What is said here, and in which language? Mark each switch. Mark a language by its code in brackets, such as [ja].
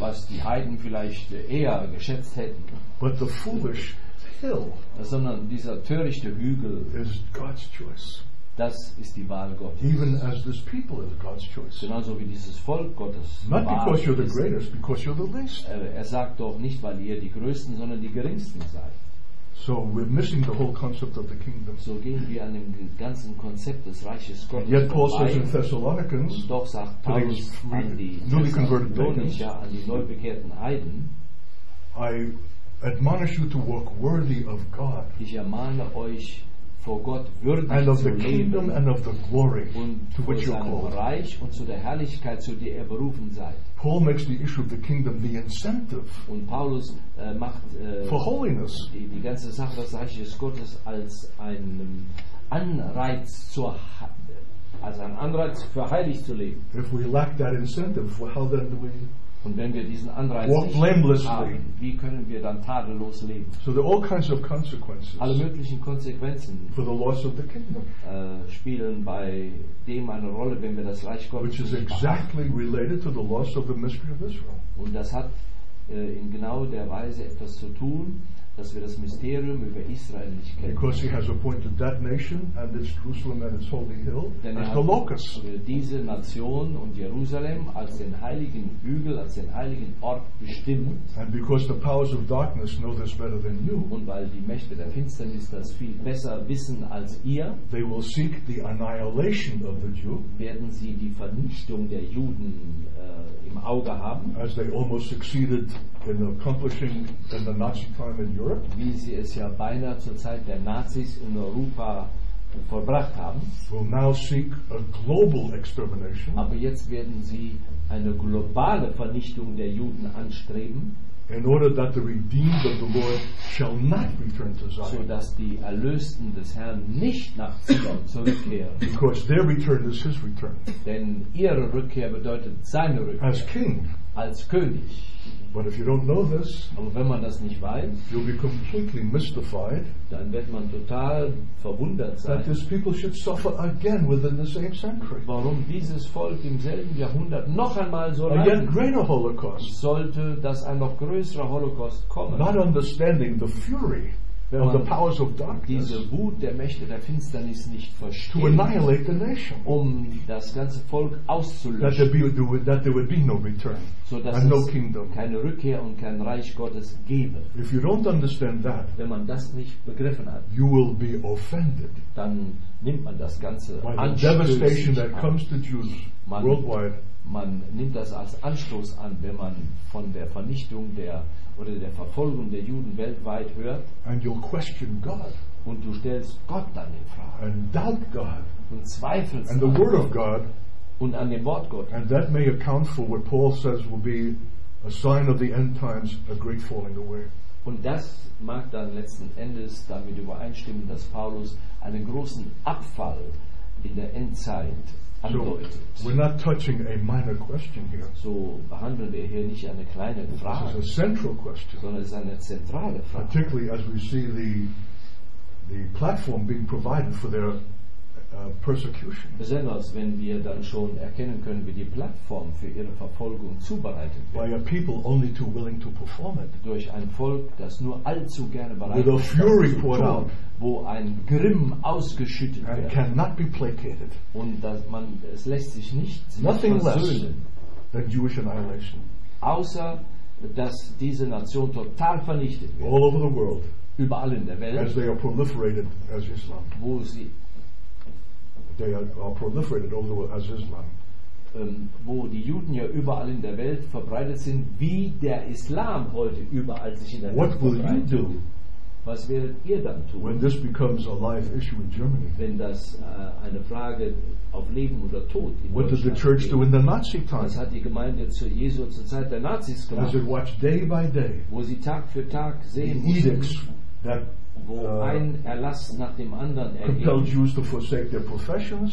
[de] was die Heiden vielleicht eher geschätzt hätten, [en] but the foolish hill, [de] sondern dieser törichte Hügel, [en] is God's choice. [de] Das ist die Wahl Gottes. [en] Even as this people is God's choice. [de] Genauso wie dieses Volk Gottes. [en] Not because you're the greatest, because you're the least. [de] Er sagt doch nicht, weil ihr die Größten, sondern die Geringsten seid. [en] So we're missing the whole concept of the kingdom. [de] So gehen wir an dem ganzen Konzept des Reiches Gottes. [en] Yet Paul says in Thessalonians, [de] doch sagt Paulus an die [en] newly converted Thessalonians, [de] ja, an die neu bekehrten Heiden, [en] I admonish you to walk worthy of God. [de] Ich ermahne euch, vor Gott würdig [en] and of [de] zu [en] the [de] leben [en] kingdom and of the glory [de] und [en] to which you're called. [de] Reich und zu der Herrlichkeit, zu der ihr berufen seid. [en] Paul makes the issue of the kingdom the incentive. [de] Und Paulus macht [en] for holiness. [de] Die ganze Sache des Reiches Gottes als einen Anreiz zur als ein Anreiz für heilig zu leben. [en] If we lack that incentive, well, how then do we [de] und wenn wir diesen Anreiz [en] walk blamelessly [de] haben, wie können wir dann tadellos leben? [en] So there are all kinds of consequences, [de] alle möglichen Konsequenzen, [en] for the loss of the kingdom, [de] spielen bei dem eine Rolle, wenn wir das Reich Gottes [en] which is exactly [de] haben. [en] Related to the loss of the mystery of Israel. [de] Und das hat in genau der Weise etwas zu tun, dass wir das Mysterium über Israel nicht kennen. [en] Because he has appointed that nation and its Jerusalem and its holy hill as the locus. [de] Diese Nation und Jerusalem als den heiligen Hügel, als den heiligen Ort bestimmt. [en] And because the powers of darkness know this better than you. [de] Und weil die Mächte der Finsternis das viel besser wissen als ihr. [en] They will seek the annihilation of the Jew. [de] Werden sie die Vernichtung der Juden im Auge haben. [en] As they almost succeeded in accomplishing in the Nazi time in Europe. [de] Wie sie es ja beinahe zur Zeit der Nazis in Europa vollbracht haben. [en] Will now seek a global extermination. [de] Aber jetzt werden sie eine globale Vernichtung der Juden anstreben. [en] In order that the redeemed of the Lord shall not return to Zion. [de] So dass die Erlösten des Herrn nicht nach Zion zurückkehren. [en] Because their return is his return. [de] Denn ihre Rückkehr bedeutet seine Rückkehr. [en] As king. [de] Als König. [en] But if you don't know this, [de] aber wenn man das nicht weiß, [en] you'll be completely mystified, [de] dann wird man total verwundert sein, [en] that this people should suffer again within the same century. [de] Warum dieses Volk im selben Jahrhundert noch einmal so leiden? [en] A yet greater Holocaust. [de] Sollte das ein noch größerer Holocaust kommen? [en] Not understanding the fury of the powers of darkness, [de] diese Wut der Mächte der Finsternis nicht versteht, [en] to annihilate the nation, [de] um das ganze Volk auszulöschen, [en] that there would be no return, [de] so dass [en] and [de] es [en] no kingdom. [de] Keine Rückkehr und kein Reich Gottes gebe. [en] If you don't understand that, [de] wenn man das nicht begriffen hat, [en] you will be offended, [de] dann nimmt man das ganze [en] by the devastation that comes to Jews worldwide. [de] Man nimmt das als Anstoß an, wenn man von der Vernichtung der oder der Verfolgung der Juden weltweit hört. [en] And you'll question God. [de] Und du stellst Gott dann in Frage. [en] And doubt God. [de] Und zweifelst [en] and the word of God. [de] Und an dem Wort Gott. [en] And that may account for what Paul says will be a sign of the end times, a great falling away. [de] Und das mag dann letzten Endes damit übereinstimmen, dass Paulus einen großen Abfall in der Endzeit [en] so, we're not touching a minor question here. [de] So behandeln wir hier nicht eine kleine Frage. [en] This is a central question. [de] Sondern es ist eine zentrale Frage. [en] Particularly as we see the platform being provided for their persecution. [de] Besonders wenn wir dann schon erkennen können, wie die Plattform für ihre Verfolgung zubereitet wird. [en] By a people only too willing to perform it. [de] Durch ein Volk, das nur allzu gerne bereit [en] with [de] ist, [en] a fury poured out, [de] wo ein Grimm ausgeschüttet [en] and [de] wird. [en] Cannot be placated. [de] Und dass man es lässt sich nicht [en] nothing [de] versöhnen. [en] Less than Jewish annihilation. [de] Außer dass diese Nation total vernichtet wird. [en] All over the world. [de] Überall in der Welt. [en] As they are proliferated as Islam. [de] Wo sie [en] they are proliferated all over the world as Islam. [de] Wo die Juden ja überall in der Welt verbreitet sind, wie der Islam heute überall sich in der [en] what What will you do? [de] Was werdet ihr dann tun? [en] When this becomes a life issue in Germany. [de] Wenn das eine Frage auf Leben oder Tod in [en] what does the church [de] geht. [en] Do in the Nazi times? [de] Was hat die Gemeinde zu Jesu zur Zeit der Nazis gemacht? [en] As it watched day by day. [de] Wo sie Tag für Tag sehen [en] edicts [de] mussten, [en] that [de] wo ein Erlass nach dem anderen [en] compelled Jews to forsake their professions.